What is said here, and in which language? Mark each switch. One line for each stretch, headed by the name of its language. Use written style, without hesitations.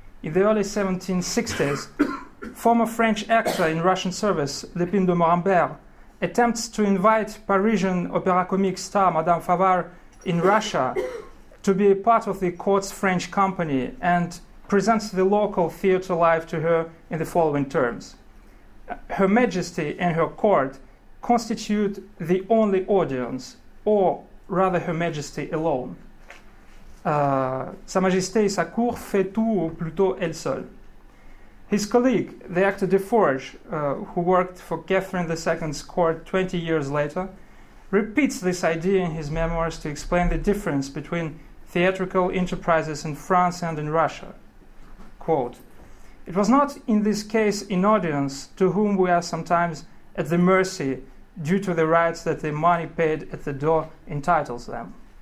English: In the early 1760s, former French actor in Russian service, Lépine de Morembert, attempts to invite Parisian opera comique star Madame Favart in Russia to be a part of the court's French company and presents the local theater life to her in the following terms: "Her Majesty and her court constitute the only audience, or rather Her Majesty alone.
French: Sa Majesté et sa cour fait tout, ou plutôt elle seule."
English: His colleague, the actor Defarge, who worked for Catherine II's court 20 years later, repeats this idea in his memoirs to explain the difference between theatrical enterprises in France and in Russia. Quote, "It was not in this case an audience to whom we are sometimes at the mercy due to the rights that the money paid at the door entitles them.